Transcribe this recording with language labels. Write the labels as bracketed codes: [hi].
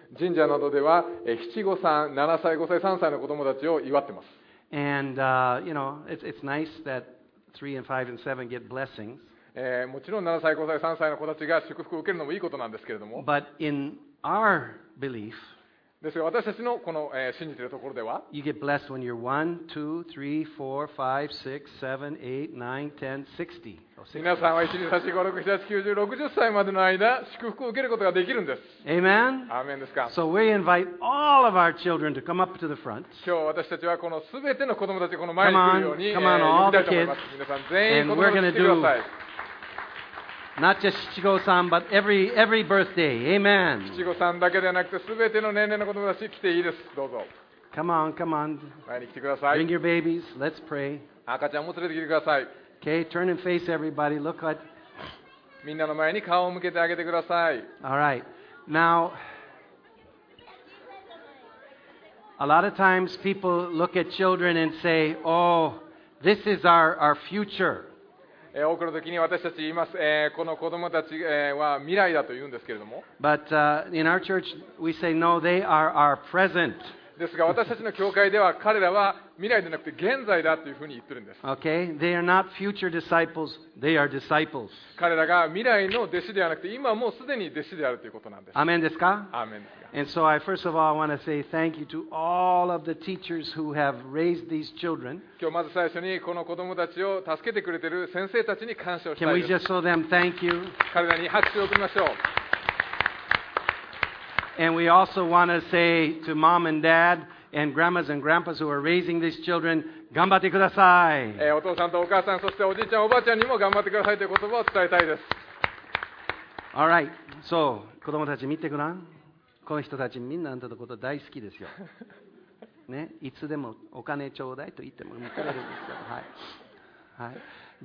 [ja] 神社などでは、七五三、七歳、五歳、三歳の子供たちを祝ってます。 [en] And you know, it's nice that3 and 5 and 7 get blessings. [ja] もちろん7歳、5歳、3歳の子たちが祝福を受けるのもいいことなんですけれども。 [en] But in our belief, [ja] ですが私たちのこの、信じているところでは、 [en] you get blessed when you're 1, 2, 3, 4, 5, 6, 7, 8, 9, 10, 60. [ja] 皆さんは1、2、3、4、5、6、7、90、60歳までの間祝福を受けることができるんです。 [en] Amen. [ja] アーメンですか。 [en] So we invite all of our children to come up to the front. [ja] 今日私たちはこのすべての子供たちこの前に来るように [en] come on, all the kids. [ja] 皆さん全員子供たちに来てください。 [en] Not just 七五三 but every birthday. Amen. [ja] 七五三だけではなくてすべての年齢の子供たち来ていいです。どうぞ。 [en] Come on, come on. [ja] 前に来てください。 [en] Bring your babies. Let's pray. [ja] 赤ちゃんも連れてきてください。 [en] Okay, turn and face everybody. Look at. [ja] みんなの前に顔を向けてあげてください。 [en] All right. Now, a lot of times people look at children and say, "Oh, this is our future." [ja] 多くの時に私たち言います、この子供たちは未来だと言うんですけれども。 [en] But in our church, we say, "No, they are our present." [ja] ですが私たちの教会では彼らは未来でなくて現在だというふうに言ってるんです。 [en] Okay. They are not future disciples. They are disciples. [ja] 彼らが未来の弟子ではなくて今もうすでに弟子であるということなんです。アーメンですか？アーメンですか。 [en] And so I first of all want to say thank you to all of the teachers who have raised these children. [ja] 今日まず最初にこの子供たちを助けてくれてる先生たちに感謝をしたいです。 [en] Can we just show them thank you? [ja] 彼らに拍手を送りましょう。 [en] And we also want to say to mom and dad and grandmas and grandpas who are raising these children, [ja] 頑張ってください。お父さんとお母さん、そしておじいちゃん、おばあちゃんにも頑張ってくださいという言葉を伝えたいです。 [en] All right. [ja] So, 子供たち見てごらん。この人たちみんなあんたのこと大好きですよ。ね、いつでもお金ちょうだいと言っても見てられるんですよ。はい。はい。